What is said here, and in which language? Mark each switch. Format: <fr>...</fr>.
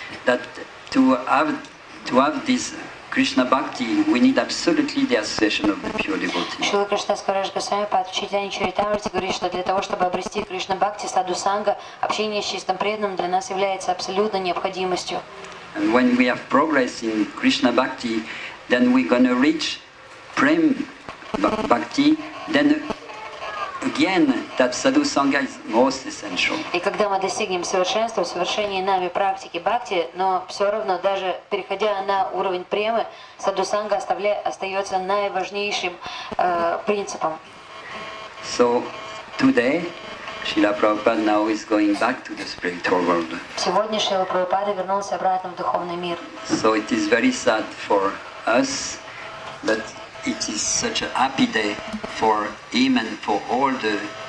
<en>That to have this Krishna Bhakti, we need absolutely the association of the pure devotee.</en> <ru>Шрила Кришнадас Кавираж Госвами Пад Чайтанья Чаритамрита говорит, что для того, чтобы обрести Кришна Бхакти, Саду Санга, общение с чистым преданным для нас является абсолютной необходимостью.</ru> <en>And when we have progress in Krishna Bhakti, then we're gonna reach Prem Bhakti, then again, that sadhu sangha is most essential.</en> <ru>И когда мы достигнем совершенства, совершения нами практики бхакти, но все равно, даже переходя на уровень премы, садху санга остается наиважнейшим принципом.</ru> <en>So today, Srila Prabhupada now is going back to the spiritual world.</en> <ru>Сегодня Шрила Прабхупада вернулся обратно в духовный мир.</ru> <en>So it is very sad for us, but it is such a happy day for him and for all the</en>